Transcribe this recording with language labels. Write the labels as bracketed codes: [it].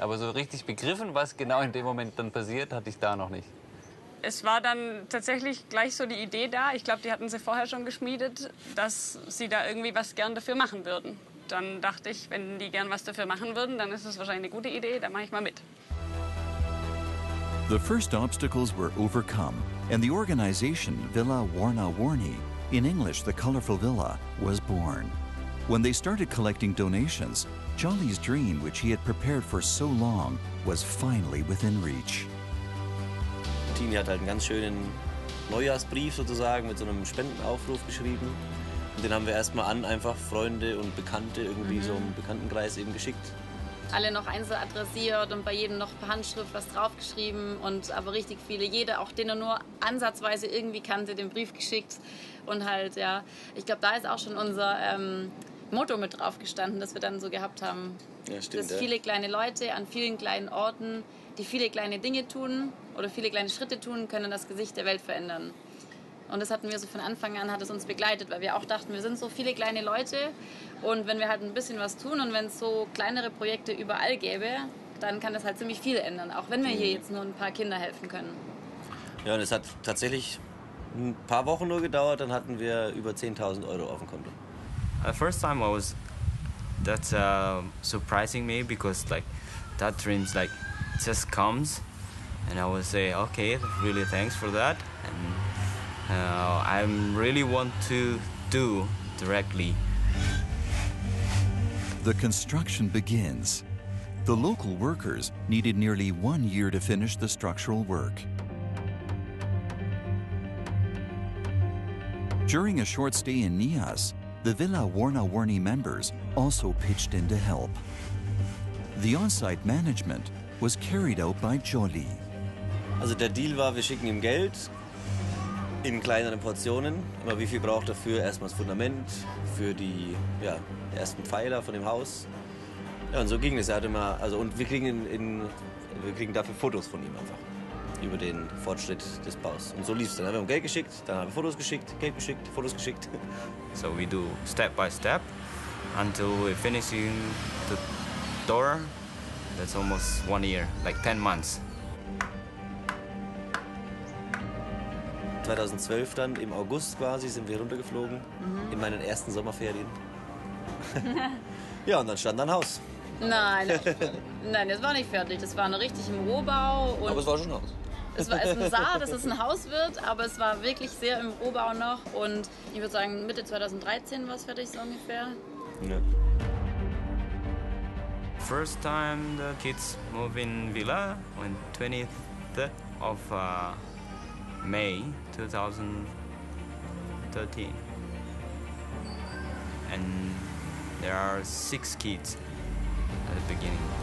[de] Aber so richtig begriffen, was genau in dem Moment dann passiert, hatte ich da noch nicht. Es war dann tatsächlich gleich so die Idee da, ich glaube, die hatten sie vorher schon geschmiedet, dass sie da irgendwie was gern dafür machen würden. Dann dachte ich, wenn die gern was dafür machen würden, dann ist es wahrscheinlich eine gute Idee, da mache ich mal mit. [en] The first obstacles were overcome and the organization Villa Warna Warni, in English the colorful villa, was born. When they started collecting donations, Jolly's dream, which he had prepared for so long, was finally within reach. [de] Tini hat halt einen ganz schönen Neujahrsbrief sozusagen mit so einem Spendenaufruf geschrieben. Und den haben wir erstmal an einfach Freunde und Bekannte irgendwie so im Bekanntenkreis eben geschickt. Alle noch einzeln adressiert und bei jedem noch per Handschrift was draufgeschrieben und aber richtig viele, jeder, auch den er nur ansatzweise irgendwie kannte, den Brief geschickt. Und halt, ja, ich glaube, da ist auch schon unser Motto mit drauf gestanden, das wir dann so gehabt haben. Ja, stimmt. Dass viele kleine Leute an vielen kleinen Orten, die viele kleine Dinge tun oder viele kleine Schritte tun, können das Gesicht der Welt verändern. Und das hatten wir so von Anfang an, hat es uns begleitet, weil wir auch dachten, wir sind so viele kleine Leute und wenn wir halt ein bisschen was tun und wenn es so kleinere Projekte überall gäbe, dann kann das halt ziemlich viel ändern, auch wenn wir hier jetzt nur ein paar Kinder helfen können. Ja, und es hat tatsächlich ein paar Wochen nur gedauert, dann hatten wir über 10.000 Euro auf dem Konto. [en] The first time I was, that's surprising me, because like that dreams like just comes and I would say okay, really thanks for that and I really want to do directly. The construction begins. The local workers needed nearly 1 year to finish the structural work. During a short stay in Nias, the Villa Warna Warni members also pitched in to help. The on-site management was carried out by Jolly. [de] Also der Deal war, wir schicken ihm Geld in kleineren Portionen. Aber wie viel braucht er für erstmal das Fundament, für die ja, ersten Pfeiler von dem Haus? Ja, und so ging es. Er hat immer, also, und wir kriegen, wir kriegen dafür Fotos von ihm einfach, über den Fortschritt des Baus. Und so lief es. Dann haben wir ihm Geld geschickt, dann haben wir Fotos geschickt, Geld geschickt, Fotos geschickt. [en] So we do step by step until we finish the door. That's almost 1 year, like 10 months. [de] 2012 dann, im August quasi, sind wir runtergeflogen, in meinen ersten Sommerferien. Ja, und dann stand ein Haus. Nein, nein, das war nicht fertig. Das war noch richtig im Rohbau. Und aber es war schon ein Haus. Es war, es sah, dass es ein Haus wird, aber es war wirklich sehr im Rohbau noch. Und ich würde sagen, Mitte 2013 war es fertig, so ungefähr. Ja. [en] First time the kids move in villa on 20th of May 2013. And there are 6 kids at the beginning.